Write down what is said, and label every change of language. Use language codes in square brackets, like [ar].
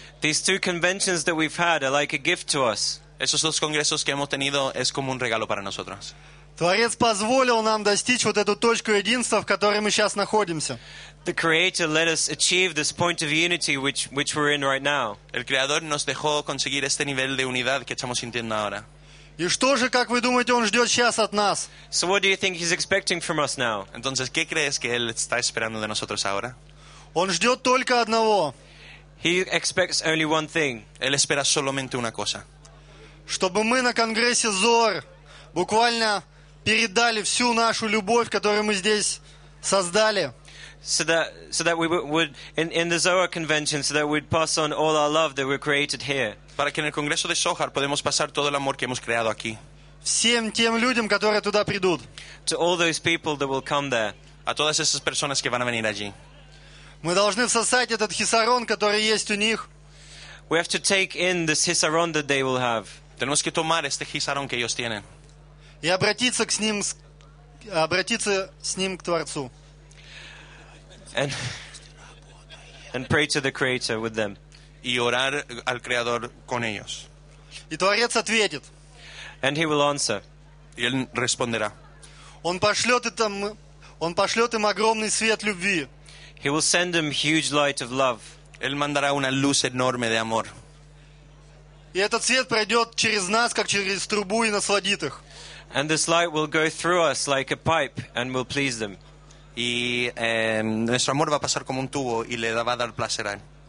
[en] These two conventions that we've had are like a gift to us. [es] Esos dos congresos que hemos tenido es como un regalo para nosotros. [ru] Творец позволил нам достичь вот эту точку единства, в которой мы сейчас находимся. [en] The Creator let us achieve this point of unity which we're in right now. [es] El Creador nos dejó conseguir este nivel de unidad que estamos sintiendo ahora. [ru] И что же, как вы думаете, он ждет сейчас от нас? [en] So what do you think he's expecting from us now? [es] Entonces, ¿qué crees que él está esperando de nosotros ahora? [ru] Он ждет только одного. [en] He expects only one thing. [es] Él espera solamente una cosa. [ru] Чтобы мы на конгрессе ЗОР буквально передали всю нашу любовь, которую мы здесь создали. [en] So that we would in the Zohar convention, so that we'd pass on all our love that we created here. [es] Para que en el Congreso de Zohar podemos pasar todo el amor que hemos creado aquí. [ru] Всем тем людям, которые туда придут. [en] To all those people that will come there. [es] A todas esas personas que van a venir allí. [ru] Мы должны всосать этот хисарон, который есть у них. [en] We have to take in this хисарон that they will have. [es] Tenemos que tomar este хисарон que ellos tienen. [ru] И обратиться с ним к Творцу. [en] And pray to the Creator with them. [es] Y orar al Creador con ellos. [ru] И Творец ответит. [en] And he will answer. [es] Y él responderá. [ru] Он пошлет им огромный свет любви. [en] He will send them huge light of love. [es] Él mandará una luz enorme de amor. [ru] И этот свет пройдет через нас, как через трубу, и насладит их. [en] And this light will go through us like a pipe and will please them. [es] Y nuestro amor va a pasar como un tubo y le va a dar placer a él.